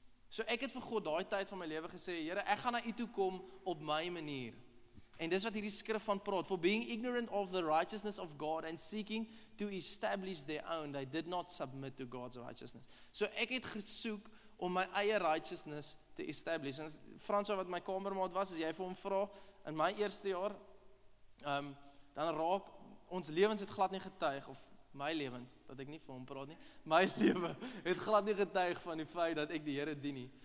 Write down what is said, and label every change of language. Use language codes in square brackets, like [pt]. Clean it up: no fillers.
[af] So ek het vir God daai tyd van my lewe gesê, Here, ek gaan na u toe kom op my manier. En dis wat hierdie skrif van praat, [en] for being ignorant of the righteousness of God and seeking to establish their own, they did not submit to God's righteousness. [af] So ek het gesoek om my eie righteousness te establish. En Franso, wat my kamermaat was, as jy vir hom vra, in my eerste jaar, dan raak, ons lewens het glad nie getuig, of my lewens, dat ek nie vir hom praat nie, my lewe het glad nie getuig van die feit dat ek die Here dien nie.